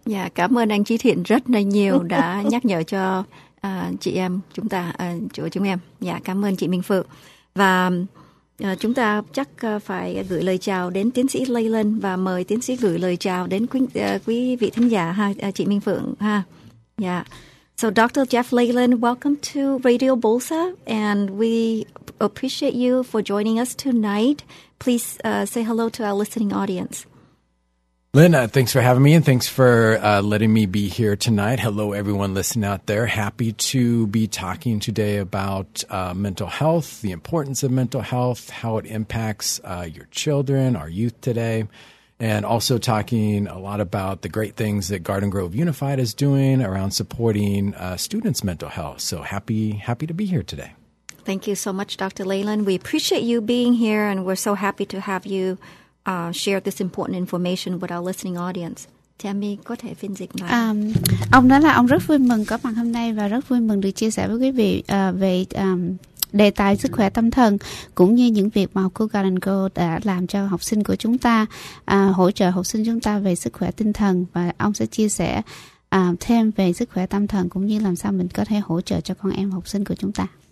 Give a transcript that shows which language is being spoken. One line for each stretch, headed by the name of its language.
Vietnamese: Dạ, cảm ơn anh Chí Thiện rất là nhiều đã nhắc nhở cho chị em chúng ta, chỗ chúng em. Dạ, cảm ơn chị Minh Phượng. Và chúng ta chắc phải gửi lời chào đến tiến sĩ Leland và mời tiến sĩ gửi lời chào đến quý vị thính giả ha, chị Minh Phượng ha.
English: Yeah. So Dr. Jeff Leland, welcome to Radio Bosa and we appreciate you for joining us tonight. Please say hello to our listening audience. Lynn, thanks for having me, and thanks for letting me be here tonight. Hello, everyone listening out there. Happy to be talking today about mental health, the importance of mental health, how it impacts your children, our youth today, and also talking a lot about the great things that Garden Grove Unified is doing around supporting students' mental health. So happy to be here today. Thank you so much, Dr. Leyland. We appreciate you being here, and we're so happy to have you share this important information with our listening audience.
Vietnamese: Tammy, có thể phiên dịch lại. Ông nói là ông rất vui mừng có mặt hôm nay và rất vui mừng được chia sẻ với quý vị về đề tài sức khỏe tâm thần cũng như những việc mà cô Garden Girl đã làm cho học sinh của chúng ta, hỗ trợ học sinh chúng ta về sức khỏe tinh thần, và ông sẽ chia sẻ thêm về sức khỏe tâm thần cũng như làm sao mình có thể hỗ trợ cho con em học sinh của chúng ta.